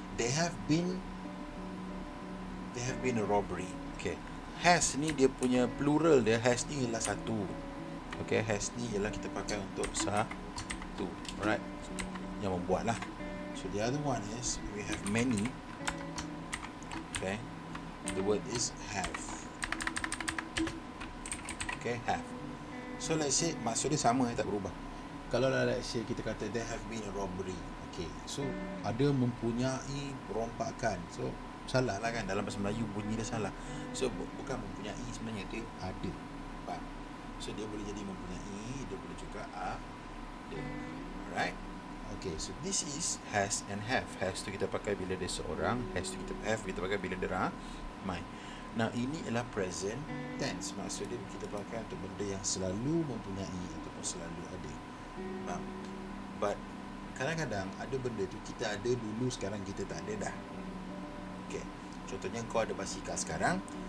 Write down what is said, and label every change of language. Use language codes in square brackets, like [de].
[en] They have been a robbery. [ms] Okay. Has ni dia punya plural dia. Has ni ialah satu. Okay. Has ni ialah kita pakai untuk satu. Alright. So, yang membuat lah. [en] So the other one is we have many. Okay. The word is have. Okay, have. So let's say [ms] maksud dia sama, tak berubah. Kalau lah [en] let's say [ms] kita kata [en] there have been a robbery. [ms] Okay, so ada mempunyai rompakan. So salah lah kan, dalam bahasa Melayu bunyi dia salah. So bukan mempunyai sebenarnya, dia ada. [en] But, so [ms] dia boleh jadi mempunyai, dia boleh juga ada. [en] Alright. Okay, so this is has and have. [ms] Has tu kita pakai bila dia seorang, has tu kita have kita pakai bila dia ramai. Nah, ini ialah present tense. Maksudnya kita pakai untuk benda yang selalu mempunyai ataupun selalu ada. Faham? But kadang-kadang ada benda tu kita ada dulu, sekarang kita tak ada dah. Okay, contohnya kau ada basikal sekarang.